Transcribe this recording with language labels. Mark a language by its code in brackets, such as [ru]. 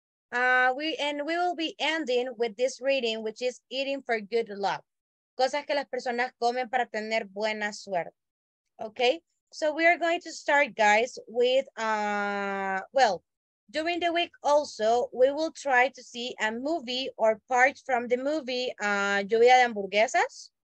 [en] And we will be ending with this reading, which is eating for good luck. [es] Cosas que las personas comen para tener buena suerte. [en] Okay, so we are going to start, guys, with, well, during the week also, we will try to see a movie or part from the movie, Lluvia de Hamburguesas.